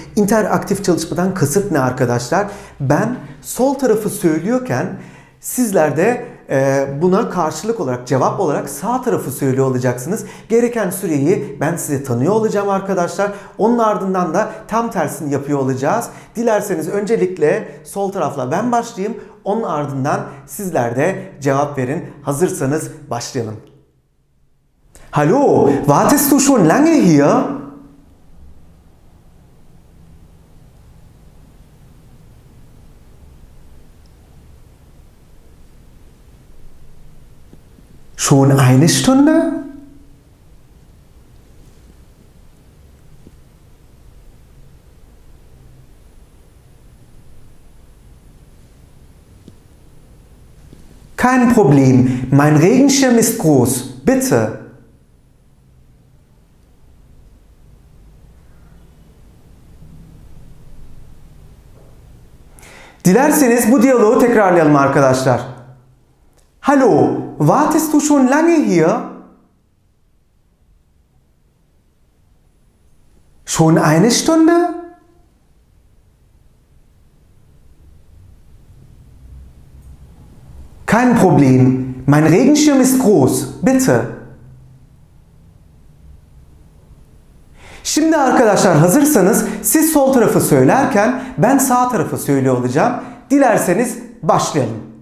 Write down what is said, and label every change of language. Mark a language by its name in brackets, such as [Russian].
[Turkish] İnteraktif çalışmadan kasıt ne arkadaşlar? Ben sol tarafı söylüyorken sizler de buna karşılık olarak, cevap olarak sağ tarafı söylüyor olacaksınız. Gereken süreyi ben size tanıyor olacağım arkadaşlar. Onun ardından da tam tersini yapıyor olacağız. Dilerseniz öncelikle sol tarafla ben başlayayım. Onun ardından sizler de cevap verin. Hazırsanız başlayalım. [German] Hallo, wartest du schon lange hier? Schon eine Stunde? Kein Problem, mein Regenschirm ist groß, bitte. [Turkish] Dilerseniz bu diyaloğu tekrarlayalım arkadaşlar. [German] Hallo, wartest du schon lange hier? Schon eine Stunde? Kein Problem, mein Regenschirm ist groß, bitte. [Turkish] Şimdi arkadaşlar hazırsanız siz sol tarafı söylerken ben sağ tarafı söylüyor olacağım. Dilerseniz başlayalım.